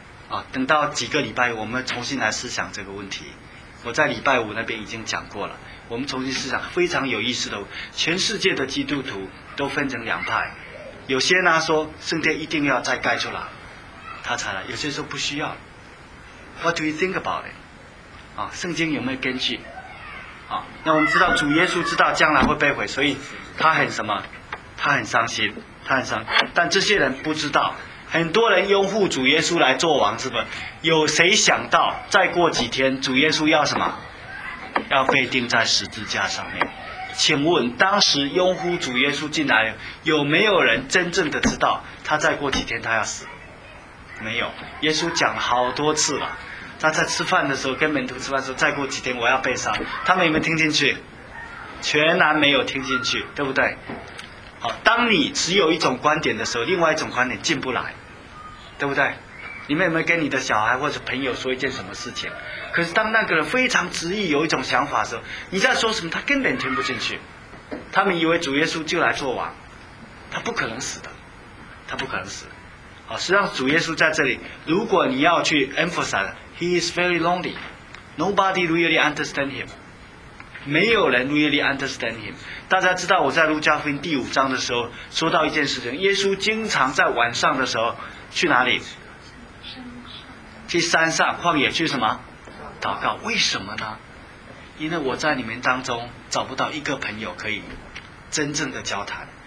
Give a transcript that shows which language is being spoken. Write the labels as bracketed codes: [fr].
[zh] 啊，等到几个礼拜我们重新来思想这个问题。我在礼拜五那边已经讲过了，我们重新思想非常有意思的。全世界的基督徒都分成两派，有些呢说圣殿一定要再盖出来他才来，有些说不需要。 [en] What do you think about it？ [zh] 啊，圣经有没有根据？啊，那我们知道主耶稣知道将来会被毁，所以他很什么？他很伤心，他很伤。但这些人不知道，很多人拥护主耶稣来做王，是不是？有谁想到再过几天主耶稣要什么？要被钉在十字架上面？请问当时拥护主耶稣进来，有没有人真正的知道他再过几天他要死？没有，耶稣讲好多次了。他在吃饭的时候跟门徒吃饭说，再过几天我要被杀，他们有没有听进去？全然没有听进去，对不对？好，当你只有一种观点的时候，另外一种观点进不来，对不对？你们有没有跟你的小孩或者朋友说一件什么事情，可是当那个人非常执意有一种想法的时候，你在说什么他根本听不进去。他们以为主耶稣就来做王，他不可能死的，他不可能死。好，实际上主耶稣在这里，如果你要去 emphasize [en] He is very lonely. Nobody really understands him. [zh] 没有人 [en] really understands him. [zh] 大家知道我在路加福音第五章的时候说到一件事情，耶稣经常在晚上的时候去哪里？去山上旷野去什么？祷告。为什么呢？因为我在你们当中找不到一个朋友可以真正的交谈。